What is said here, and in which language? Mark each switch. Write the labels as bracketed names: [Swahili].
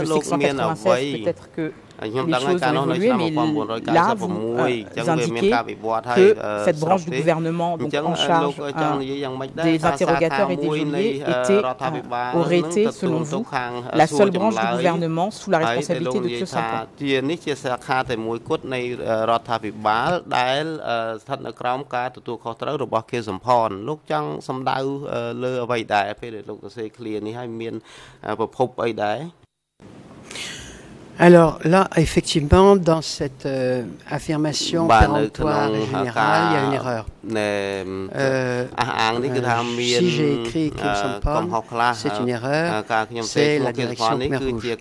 [French] Je sais que 196, peut-être que les choses ont évolué, mais là, vous indiquez que cette branche du gouvernement donc en charge des interrogateurs et des geôliers aurait été, selon vous, la seule branche du gouvernement sous la responsabilité de Tsusseng. [Khmer] រដ្ឋាភិបាលដែលស្ថិតនៅក្រោមការទទួលខុសត្រូវរបស់ខៀវសំផនលោកចង់សម្ដៅលើអ្វីដែរពេលដែលលោកសេឃ្លៀននេះហើយមានប្រភពអីដែរ [French] Alors là, effectivement, dans cette affirmation péremptoire générale, il y a une erreur. Si j'ai écrit Khmer Sampan, c'est une erreur, c'est la direction Khmer Rouge.